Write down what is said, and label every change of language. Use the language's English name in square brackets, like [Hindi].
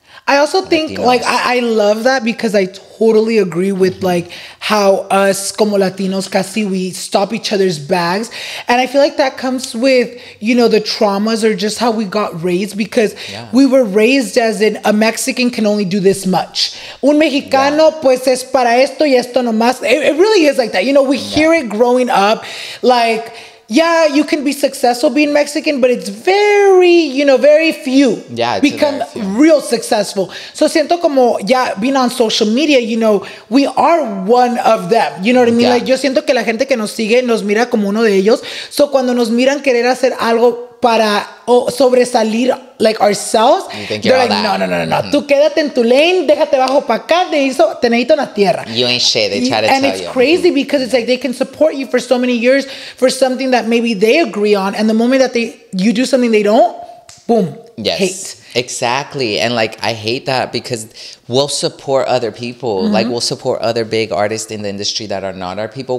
[English] I also think, Latinos. Like, I love that because I totally agree with, like, how us, [Spanish] como Latinos, casi, [English] we stop each other's bags. And I feel like that comes with, you know, the traumas or just how we got raised, because we were raised as in a Mexican can only do this much. [Spanish] Un mexicano, pues, es para esto y esto nomás. [English] It really is like that. You know, we hear it growing up, like... Yeah, you can be successful being Mexican, but it's very, you know, very few become real successful. So [Spanish] siento como, [English] being on social media, you know, we are one of them. You know what I mean? [Spanish] Like, yo siento que la gente que nos sigue nos mira como uno de ellos. So cuando nos miran querer hacer algo para sobresalir, like, [English] ourselves, they're like, no. [Spanish] Tú quédate en tu lane, déjate bajo para acá, te necesito en la tierra. [English] You ain't shit, they try to tell And it's you. Crazy because it's like they can support you for so many years for something that maybe they agree on, and the moment that you do something they don't, boom, hate. Exactly. And like, I hate that because we'll support other people. Mm-hmm. Like, we'll support other big artists in the industry that are not our people.